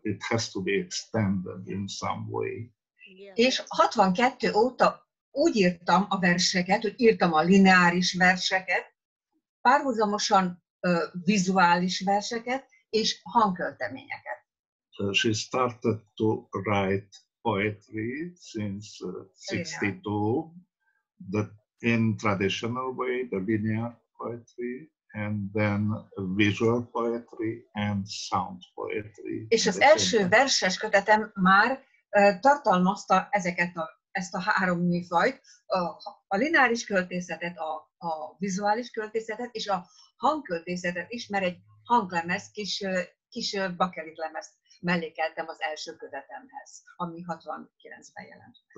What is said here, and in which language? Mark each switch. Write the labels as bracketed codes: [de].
[en] It has to be extended in some way. Yeah. [hu] És 62 óta úgy írtam a verseket, hogy írtam a lineáris verseket, párhuzamosan vizuális verseket és hangkölteményeket. [en] She started to write poetry since 62, in traditional way, the linear poetry, and then visual poetry and sound poetry. [hu] És az első verses kötetem már tartalmazta ezt a három műfajt, a lineáris költészetet, a vizuális költészetet és a hangköltészetet is, mert egy hanglemez, kis bakelit lemez mellékeltem az első kötetemhez, ami 69-ben jelent.